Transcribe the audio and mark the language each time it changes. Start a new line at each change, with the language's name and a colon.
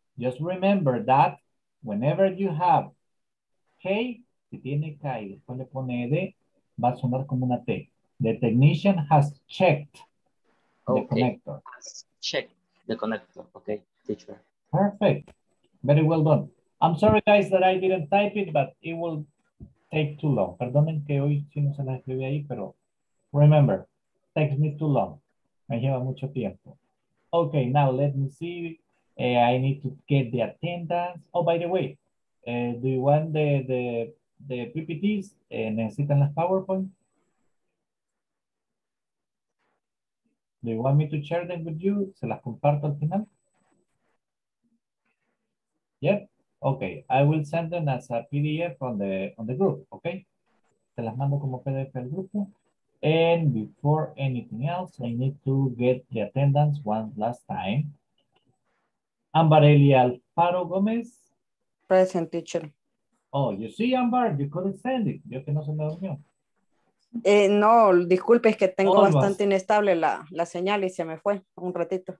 English: Just remember that whenever you have K,
Spanish: si tiene K y después le pone D, va a sonar como una T.
English: The technician has checked the connector. Has checked the connector, okay, teacher. Perfect, very well done. I'm sorry guys that I didn't type it, but it will take too long.
Spanish: Perdonen que hoy si no se la escribí ahí, pero remember, takes me too long. Me lleva mucho tiempo. Okay,
English: now let me see. I need to get the attendance. Oh, by the way, do you want the PPTs?
Spanish: ¿Necesitan las PowerPoint?
English: Do you want me to share them with you?
Spanish: Se las comparto al final.
English: Yep. Okay. I will send them as a PDF on the group. Okay.
Spanish: Te las mando como PDF al grupo.
English: And before anything else, I need to get the attendance one last time. Ambar Eli Alfaro Gomez. Present, teacher. Oh, you see, Ambar, you couldn't send it.
Spanish: Yo que no se me durmió. No, disculpe, es que tengo Almost. Bastante inestable la señal y se me fue un ratito.